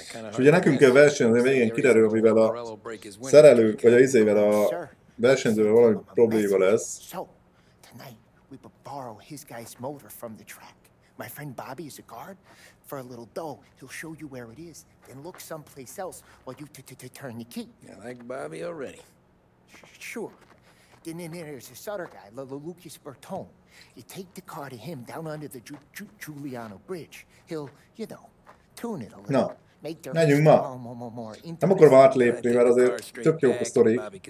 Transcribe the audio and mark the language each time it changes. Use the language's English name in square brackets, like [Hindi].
[Hungarian] És ugye nekünk kell versenyezni, végén kiderül, mivel a szerelő, vagy a izével a versenyzővel valami probléma lesz. [English] We could borrow his guy's motor from the track. My friend Bobby is a guard. For a little dough, he'll show you where it is, then look someplace else while you turn the key. I like Bobby already. Sure. Then there's this other guy, Lucas Bertone. You take the car to him down under the Giuliano Bridge. He'll, you know, tune it a little. No. Make the race more. [Hungarian] Nem akarom átlépni, mert azért tök jó a sztori.